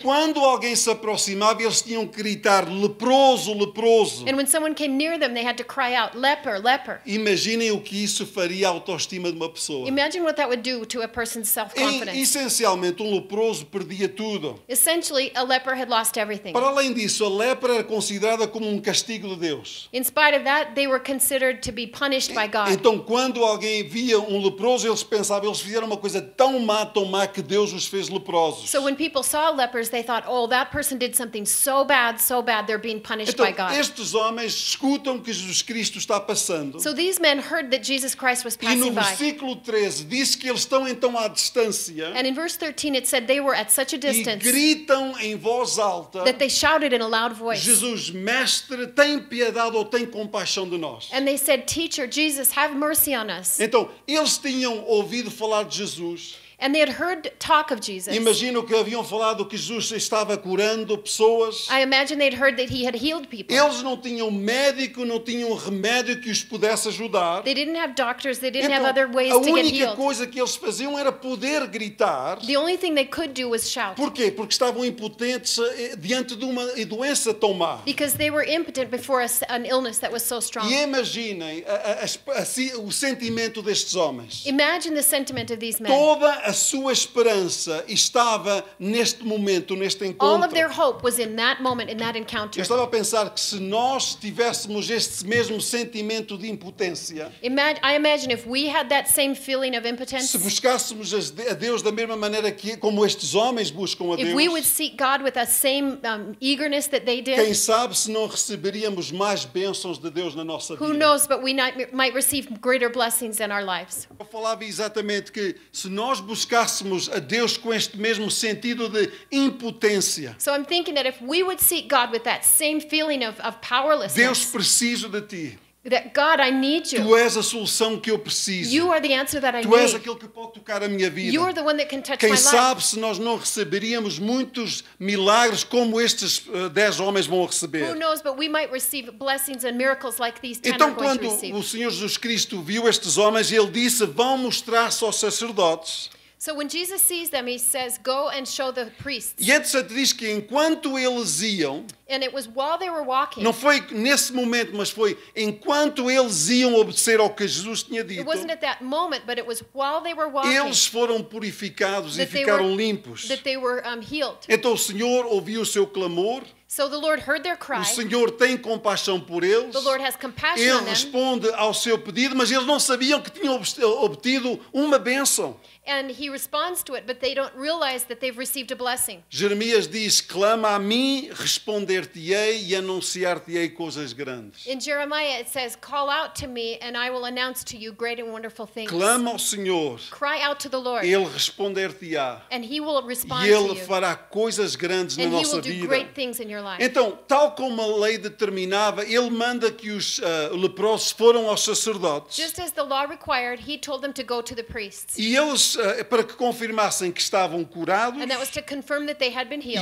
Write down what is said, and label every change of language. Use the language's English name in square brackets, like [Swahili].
[Portuguese] E quando alguém se aproximava, eles tinham que gritar leproso, leproso. [English] And when someone came near them, they had to cry out leper, leper. [Portuguese] Imaginem o que isso faria à autoestima de uma pessoa. [English] Imagine what that would do to a person's self-confidence. [Portuguese] Essencialmente, um leproso perdia tudo. [English] Essentially, a leper had lost everything. [Portuguese] Para além disso, a lepra era considerada como um castigo de Deus. [English] In spite of that, they were considered to be punished by God. [Portuguese] Então, quando alguém via um leproso, eles pensavam, eles fizeram uma coisa tão má que Deus os fez leprosos. [English] So when people saw lepers, they thought, oh, that person did something so bad, they're being punished [Portuguese] então, Então, estes homens escutam que Jesus Cristo está passando. [English] So these men heard that Jesus Christ was passing by. [Portuguese] E no versículo 13, diz que eles estão então à distância. [English] And in verse 13, it said they were at such a distance. [Portuguese] E gritam em voz alta. [English] That they shouted in a loud voice. [Portuguese] Jesus, Mestre, tem piedade ou tem compaixão de nós. [English] And they said, Teacher, Jesus, have mercy on us. [Portuguese] Então, eles tinham ouvido falar de Jesus. [English] And they had heard talk of Jesus. [Portuguese] Imagino que haviam falado que Jesus estava curando pessoas. [English] I imagine they'd heard that he had healed people. [Portuguese] Eles não tinham médico, não tinham remédio que os pudesse ajudar. [English] They didn't have doctors, they didn't have other ways to get healed. [Portuguese] A única coisa que eles faziam era poder gritar. [English] The only thing they could do was shout. [Portuguese] Porquê? Porque estavam impotentes diante de uma doença tão má. [English] Because they were impotent before an illness that was so strong. [Portuguese] E imaginem o sentimento destes homens. [English] Imagine the sentiment of these men. [Portuguese] A sua esperança estava neste momento, neste encontro. [English] All of their hope was in that moment, in that encounter. [Portuguese] Eu estava a pensar que se nós tivéssemos este mesmo sentimento de impotência, [English] I imagine if we had that same feeling of impotence, [Portuguese] se buscássemos a Deus da mesma maneira que como estes homens buscam a Deus, [English] if we would seek God with the same eagerness that they did, [Portuguese] quem sabe se não receberíamos mais bênçãos de Deus na nossa vida. [English] Who knows, but we might receive greater blessings in our lives. [Portuguese] Eu falava exatamente que se nós buscássemos a Deus com este mesmo sentido de impotência. [English] So I'm thinking that if we would seek God with that same feeling of powerlessness. [Portuguese] Deus, preciso de ti. [English] That God, I need you. [Portuguese] Tu és a solução que eu preciso. [English] You are the answer that I [Portuguese] tu [English] need. [Portuguese] És aquele que pode tocar a minha vida. [English] You are the one that can touch [Portuguese] quem [English] my life. [Portuguese] Quem sabe se nós não receberíamos muitos milagres como estes 10 homens vão receber. [English] Who knows, but we might receive blessings and miracles like these 10 [Portuguese] então, [English] are going to receive. [Portuguese] Então quando o Senhor Jesus Cristo viu estes homens, ele disse, vão mostrar-se aos sacerdotes. [English] So when Jesus sees them, he says, go and show the priests. [Portuguese] E antes diz que enquanto eles iam, [English] and it was while they were walking. [Portuguese] Não foi nesse momento, mas foi enquanto eles iam obedecer ao que Jesus tinha dito. [English] It wasn't at that moment, but it was while they were walking. [Portuguese] Eles foram purificados e ficaram limpos. [English] That they were healed. [Portuguese] Então o Senhor ouviu o seu clamor. [English] So the Lord heard their cry. [Portuguese] O Senhor tem compaixão por eles. [English] The Lord has compassion on them. [Portuguese] Ele responde ao seu pedido, mas eles não sabiam que tinham obtido uma bênção. [English] And he responds to it, but they don't realize that they've received a blessing. [Portuguese] Jeremias diz, clama a mim, responder-te-ei e anunciar-te-ei coisas grandes. [English] In Jeremiah it says, call out to me and I will announce to you great and wonderful things. [Portuguese] Clama ao Senhor. [English] Cry out to the Lord. [Portuguese] Ele responder-te-á. [English] And he will respond to you. [Portuguese] E ele [English] to [Portuguese] fará coisas grandes [English] and [Portuguese] na nossa vida. [English] And he will do great things in your your life. [Portuguese] Então, tal como a lei determinava, ele manda que os leprosos foram aos sacerdotes. [English] Just as the law required, he told them to go to the priests. [Portuguese] E eles, para que confirmassem que estavam curados. [English] And that was to confirm that they had been healed.